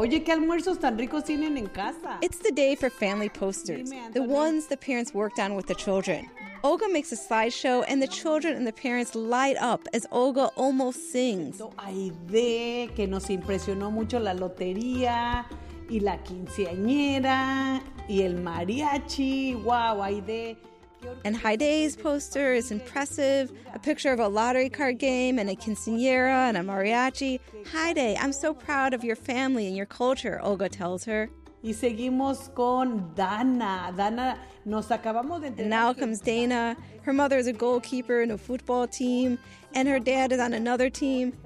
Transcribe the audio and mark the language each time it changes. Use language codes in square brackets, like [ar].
[es] Oye, qué almuerzos tan ricos tienen en casa. [en] It's the day for family posters, the ones the parents worked on with the children. Olga makes a slideshow, and the children and the parents light up as Olga almost sings. [es] Ay, de que nos impresionó mucho la lotería y la quinceañera y el mariachi. Wow, ay, de. [en] And Haide's poster is impressive. A picture of a lottery card game and a quinceañera and a mariachi. Haide, I'm so proud of your family and your culture, Olga tells her. [es] Y seguimos con Dana. Dana, nos acabamos de... [en] And now comes Dana. Her mother is a goalkeeper in a football team, and her dad is on another team.